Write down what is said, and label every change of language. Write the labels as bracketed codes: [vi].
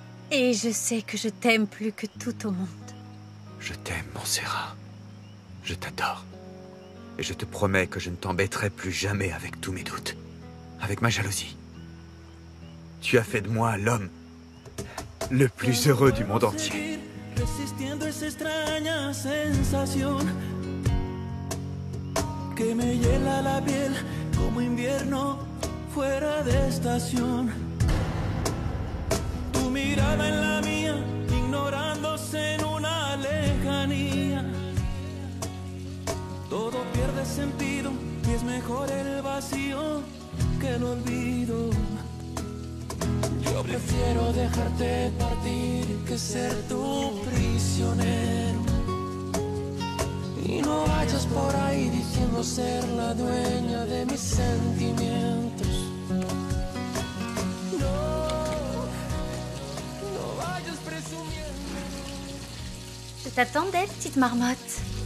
[fr] Et je sais que je t'aime plus que tout au monde. Je t'aime, mon Serra. Je t'adore. Et je te promets que je ne t'embêterai plus jamais avec tous mes doutes, avec ma jalousie. Tu as fait de moi l'homme le plus heureux du monde entier. [es] Resistiendo esa extraña sensación que me hiela la piel como invierno fuera de estación. Tu mirada en la mía, ignorándose en una lejanía. Todo pierde sentido y es mejor el vacío que el olvido. Yo prefiero dejarte partir que ser tu prisionero. Y no vayas por ahí diciendo ser la dueña de mis sentimientos. No, no vayas presumiendo. [fr] Je t'attendais, petite marmotte.